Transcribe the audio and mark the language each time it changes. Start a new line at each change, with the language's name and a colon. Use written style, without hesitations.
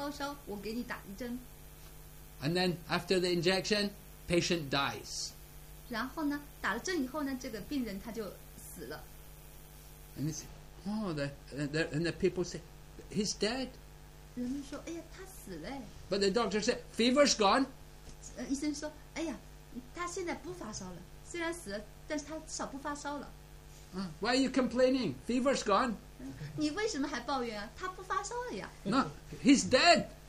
Chinese: 有时候呢，医生来了，他说，哦，你现在发高烧，我给你打一针。
English: And then after the injection, patient dies.
Chinese: 然后呢，打了针以后呢，这个病人他就死了。
English: And he says, oh, the people say, he's dead.
Chinese: 人们说，哎呀，他死了。
English: But the doctor said, fever's gone.
Chinese: 医生说，哎呀，他现在不发烧了，虽然死了，但是他少不发烧了。
English: Why are you complaining? Fever's gone.
Chinese: 你为什么还抱怨啊？他不发烧了呀。
English: No, he's dead.